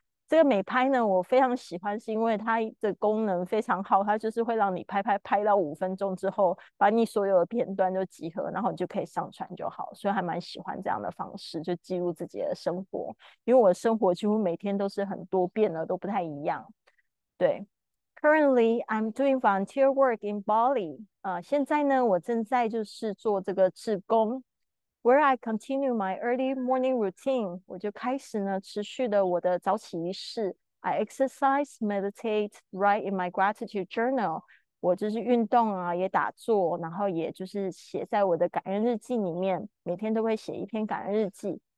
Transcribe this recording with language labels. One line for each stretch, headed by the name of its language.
Chinese: 这个美拍呢，我非常喜欢，是因为它的功能非常好，它就是会让你拍到5分钟之后，把你所有的片段都集合，然后你就可以上传就好。所以还蛮喜欢这样的方式，就记录自己的生活，因为我的生活几乎每天都是很多变了，都不太一样。
English: 对，Currently I'm doing volunteer work in Bali。
Chinese: 现在呢，我正在就是做这个志工。
English: Where I continue my early morning routine，
Chinese: 我就开始呢持续的我的早起仪式。
English: I exercise, meditate, write in my gratitude journal。
Chinese: 我就是运动啊，也打坐，然后也就是写在我的感恩日记里面，每天都会写一篇感恩日记。